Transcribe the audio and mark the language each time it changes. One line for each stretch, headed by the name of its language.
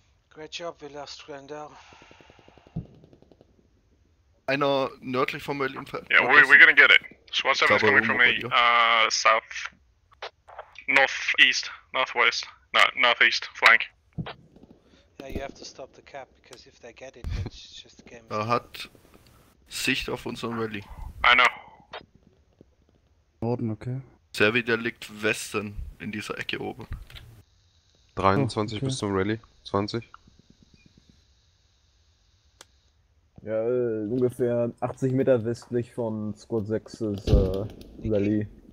English: Great job, we lost Grandel.
German: Einer nördlich vom Berlin.
English: Yeah, we're gonna get it. Squad 7 is coming from me, south. Northeast. Northwest. No, northeast. Flank. Yeah, you have to stop the cap, because if they get it, it's just a game.
German: Er hat Sicht auf unseren Rally.
English: I know.
German: Norden, okay. Servi, der liegt Westen in dieser Ecke oben. 23 okay. Bis zum Rally. 20. Ja, ungefähr 80 Meter westlich von Squad 6 ist Rally.